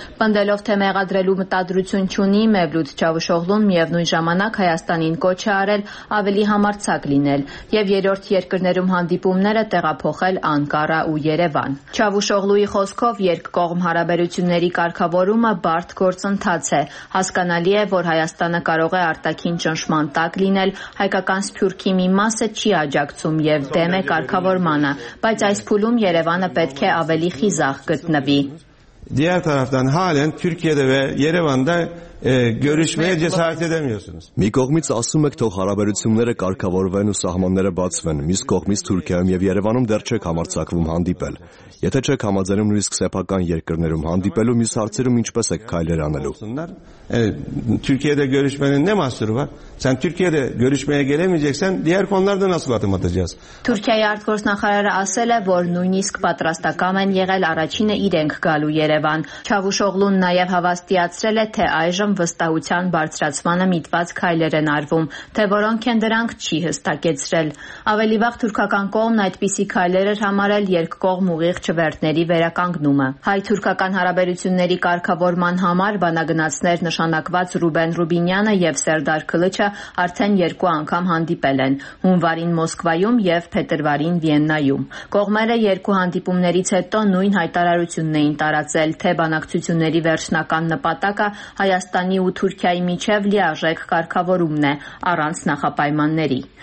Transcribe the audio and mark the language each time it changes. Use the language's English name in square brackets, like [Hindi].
[Armenian] Պնդելով, թե մեղադրելու մտադրություն չունի, Մևլութ Չավուշօղլուն միևնույն ժամանակ Հայաստանին կոչ է արել ավելի համարձակ լինել եւ երրորդ երկրներում հանդիպումները տեղափոխել Անկարա ու Երևան։ Չավուշօղլուի խոսքով երկկողմ հարաբերությունների կարգավորումը բարդ գործ ընդհանաց է, հասկանալի է, որ Հայաստանը կարող է արտաքին ճնշման տակ լինել, հայկական սփյուռքի մի մասը չի աջակցում եւ դեմ է կարգավորմանը, բայց այս փուլում Երևանը պետք է ավելի խիզախ գտնվի։ [Turkish] Diğer taraftan halen Türkiye'de ve Yerevan'da görüşmeye cesaret edemiyorsunuz. [Armenian] Մի կողմից ասում եք, թող հարաբերությունները կարգավորվեն ու սահմանները բացվեն, մյուս կողմից Թուրքիայում եւ Երևանում դեռ չեք համարձակվում հանդիպել։ Եթե չեք համաձայնում նույնիսկ սեփական երկրներում հանդիպելու, մյուս հարցերում ինչպես եք քայլեր անելու։ [Turkish] Türkiye'de görüşmenin ne mahsuru var? Sen Türkiye'de görüşmeye gelemeyeceksen diğer konularda nasıl adım atacağız? [Armenian] Թուրքիայի արտգործնախարարը ասել է, որ նույնիսկ պատրաստական են եղել առաջինը իրենք գալու Երևան։ Չավուշօղլուն նաև հավաստիացրել է, թե այժմ վստահության բարձրացմանը միտված քայլեր են արվում, թե որոնք են դրանք չի հստակեցրել։ Ավելի վաղ թուրքական կողմն այդպիսի քայլեր էր համարել երկկողմ ուղիղ չվերթների վերականգնումը։ Հայ-թուրքական հարաբերությունների կարգավորման համար բանակցներ նշանակված Ռուբեն Ռուբինյանը եւ Սերդար Քլիչը արդեն երկու անգամ հանդիպել են՝ հունվարին Մոսկվայում եւ փետրվարին Վիեննայում։ Կողմերը երկու հանդիպումներից հետո նույն հայտարարությունն էին տարածել, թե բանակցությունների վերջնական նպատակը Հայաստանի ու Թուրքիայի միջև լիարժեք կարգավորումն է, առանց նախապայմանների։